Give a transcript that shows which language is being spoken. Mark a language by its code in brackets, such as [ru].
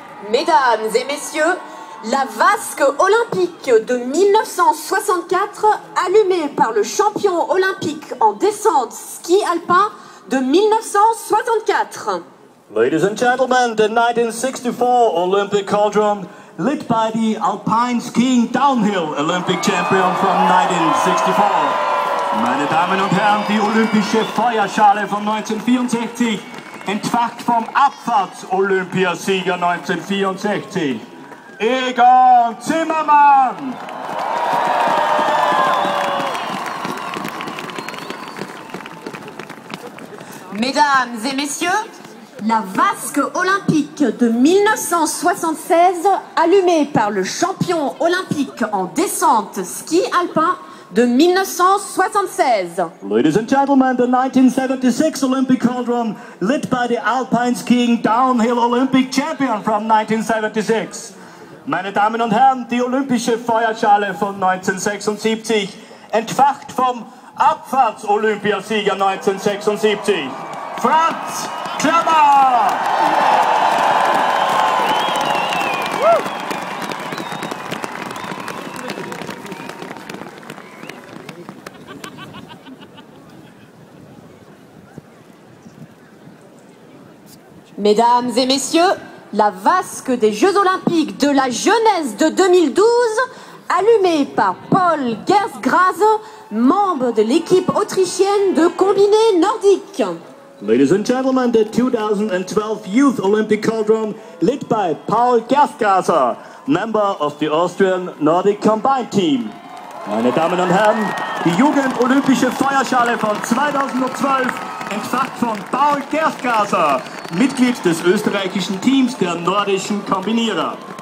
[fr] Mesdames et messieurs, la vasque olympique de 1964, allumée par le champion olympique en descente ski alpin de 1964. [en] Ladies and gentlemen, the 1964 Olympic cauldron, lit by the alpine skiing downhill Olympic champion from 1964. [de] Meine Damen und Herren, die olympische Feuerschale von 1964. Entfacht vom Abfahrts-Olympiasieger 1964, Egon Zimmermann! [fr] Mesdames et messieurs, la vasque olympique de 1976, allumée par le champion olympique en descente ski alpin, de 1976. [en] Ladies and gentlemen, the 1976 Olympic cauldron lit by the alpine skiing downhill Olympic champion from 1976. [de] Meine Damen und Herren, die olympische Feuerschale von 1976 entfacht vom Abfahrts-Olympiasieger 1976, Franz Klammer! [fr] Mesdames et messieurs, la vasque des Jeux Olympiques de la Jeunesse de 2012, allumée par Paul Gerstgras, membre de l'équipe autrichienne de combiné nordique. [en] Ladies and gentlemen, the 2012 Youth Olympic cauldron lit by Paul Gerstgras, member of the Austrian Nordic Combined Team. [de] Meine Damen und Herren, die Jugend-Olympische Feuerschale von 2012 entfacht von Paul Gerstgras, Mitglied des österreichischen Teams der nordischen Kombinierer.